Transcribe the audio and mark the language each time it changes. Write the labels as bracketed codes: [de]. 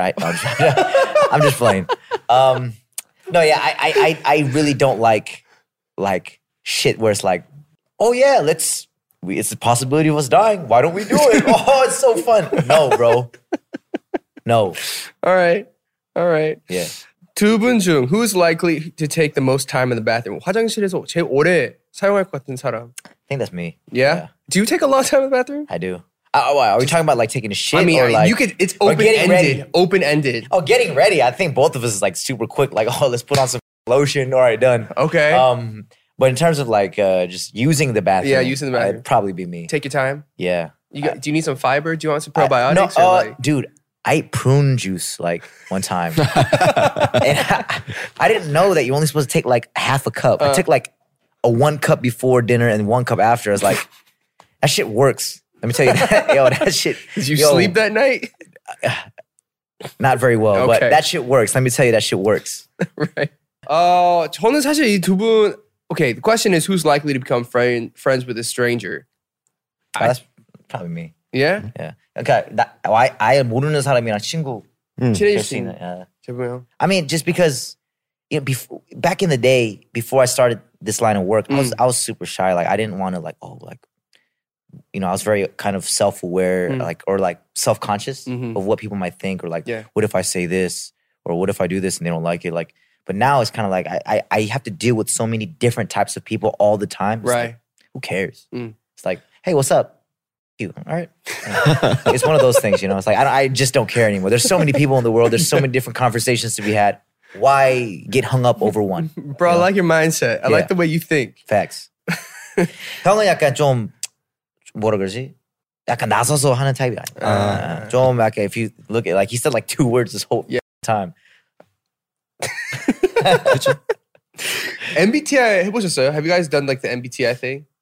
[en] I'm just playing. I really don't like shit where it's like, oh yeah, it's the possibility of us dying. Why don't we do it? Oh, it's so fun. No, bro. No. All right. Yeah. [ko] 두 분 중 [en] who's likely to take the most time in the bathroom? [ko] 화장실에서 제일 오래 사용할 것 같은 사람. [en] I think that's me. Yeah? Do you take a lot of time in the bathroom? I do. Are we talking about like taking a shit? It's open-ended. Open-ended. Oh, getting ready. I think both of us is like super quick. Like, oh, let's put on some lotion. All right, done. Okay. But in terms of like just using the bathroom. Yeah, using the bathroom. It'd probably be me. Take your time. Yeah. Do you need some fiber? Do you want some probiotics? Dude. I ate prune juice like one time. And I didn't know that you're only supposed to take like half a cup. I took like a one cup before dinner and one cup after. I was like, that shit works. Let me tell you that. Yo, that shit. Did you sleep that night? Not very well. Okay. But that shit works. Let me tell you, that shit works. Right. [ko] 저는 사실 이 두 분… [en] Okay, the question is who's likely to become friends with a stranger? That's probably me. Yeah? Yeah. [ko] 그러니까 아예 모르는 사람이랑 친구 친해질 수 있는. [en] I mean, just because you know, back in the day, before I started this line of work, I was super shy. Like, I didn't want to like, oh, like, you know, I was very kind of self-aware, like, or like self-conscious of what people might think, or like, what if I say this, or what if I do this and they don't like it. Like, but now it's kind of like I have to deal with so many different types of people all the time. It's right? Like, who cares? Mm. It's like, hey, what's up? You. All right. It's one of those things, you know. It's like, I just don't care anymore. There's so many people in the world. There's so many different conversations to be had. Why get hung up over one? Bro, I like your mindset. I like the way you think. Facts. [ko] 형은 약간 좀… 뭐라 그러지? 약간 나서서 하는 타입이 아니야. 좀 약간 [en] if you look at… Like he said like two words this whole time. [ko] 그쵸? MBTI 해보셨어요? [en] Have you guys done like the MBTI thing?